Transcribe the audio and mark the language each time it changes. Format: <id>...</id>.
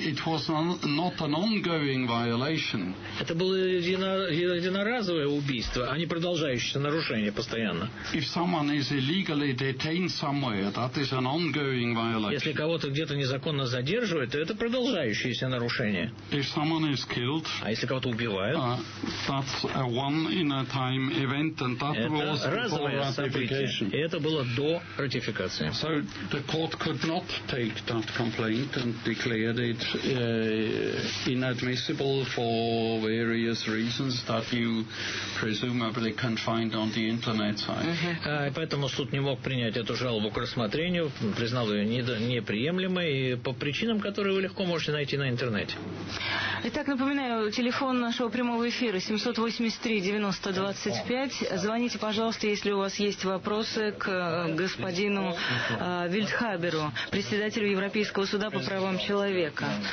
<en>It was not an ongoing violation.</en> <ru>Это было единоразовое убийство, а не продолжающееся нарушение постоянно.</ru> <en>If someone is illegally detained somewhere, that is an ongoing violation.</en> <ru>Если кого-то где-то незаконно задерживают, то это продолжающееся нарушение.</ru> <en>If someone is killed,</en> <ru>а если кого-то убивают,</ru> <en>that's a one in a time event, and that was</en> <ru>разовое</ru> <en>ratification.</en> <ru>Событие, и это было до ратификации.</ru> <en>So the court could not take that complaint and declared it inadmissible for various reasons. things that you presumably can find on the internet site.</en> <ru>Поэтому суд не мог принять эту жалобу к рассмотрению, признал ее неприемлемой по причинам, которые вы легко можете найти на интернете. Итак, напоминаю, телефон нашего прямого эфира 783-9025. Звоните, пожалуйста, если у вас есть вопросы к господину Вильдхаберу, председателю Европейского суда по правам человека.</ru>